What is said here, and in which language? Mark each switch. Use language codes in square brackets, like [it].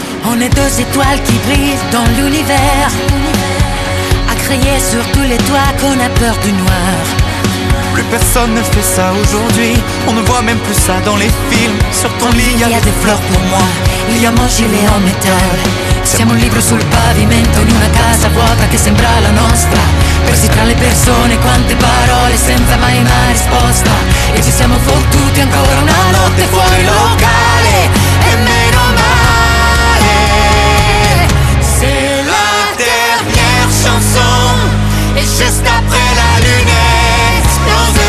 [fr] On est deux étoiles qui brillent dans l'univers. À crier sur tous les toits qu'on a peur du noir. Plus personne ne fait ça aujourd'hui. On ne voit même plus ça dans les films. Sur ton lit, il y a des fleurs pour moi. Il y a mon gilet en métal. [it] Siamo un libro sul pavimento di una casa vuota che sembra la nostra. Persi tra le persone, quante parole senza mai una risposta. E ci siamo fottuti ancora una notte fuori locale. E meno male se la [fr] dernière chanson est juste après la lune.